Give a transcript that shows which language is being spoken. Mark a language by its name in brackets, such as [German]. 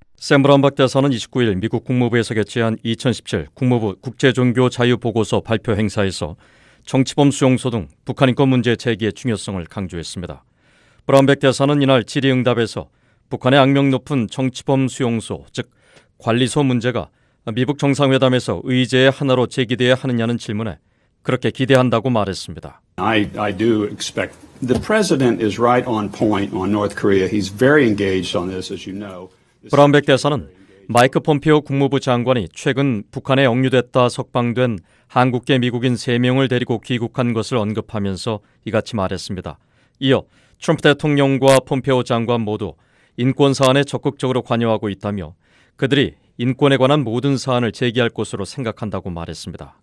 [Korean] 샘 브라운백 대사는 29일 미국 국무부에서 개최한 2017 국무부 국제종교자유보고서 발표 행사에서 정치범 수용소 등 북한인권 문제 제기의 중요성을 강조했습니다. 브라운백 대사는 이날 질의응답에서 북한의 악명 높은 정치범 수용소, 즉 관리소 문제가 미북 정상회담에서 의제의 하나로 제기되어야 하느냐는 질문에 그렇게 기대한다고 말했습니다. [English] I do expect the president is right on point on North Korea. He's very engaged on this, as you know. [Korean] 브라운백 대사는 마이크 폼페오 국무부 장관이 최근 북한에 억류됐다 석방된 한국계 미국인 3명을 데리고 귀국한 것을 언급하면서 이같이 말했습니다. 이어 트럼프 대통령과 폼페오 장관 모두 인권 사안에 적극적으로 관여하고 있다며 그들이 인권에 관한 모든 사안을 제기할 것으로 생각한다고 말했습니다.